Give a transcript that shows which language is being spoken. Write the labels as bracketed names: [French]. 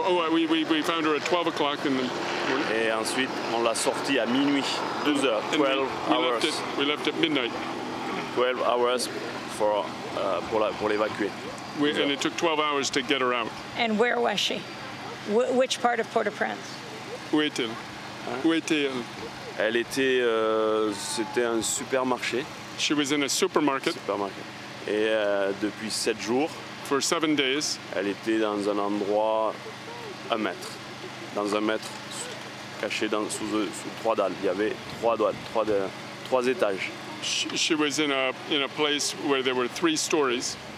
[English] We found her at 12 o'clock in the morning. [French] Et ensuite, on l'a sortie à minuit, 12 heures, [English] 12 hours. We left at midnight. 12 hours [French] pour l'évacuer. [English] We, and it took 12 hours to get her out. And where was she? Which part of Port-au-Prince? [French] Où est-elle? Hein? Où est-elle? Elle était, c'était un supermarché. [English] She was in a supermarket. [French] Supermarket. Et depuis 7 jours. [English] For 7 days. [French] Elle était dans un endroit, un mètre. Dans un mètre, caché dans, sous trois dalles. Il y avait trois étages. [English] She was in a place where there were three stories.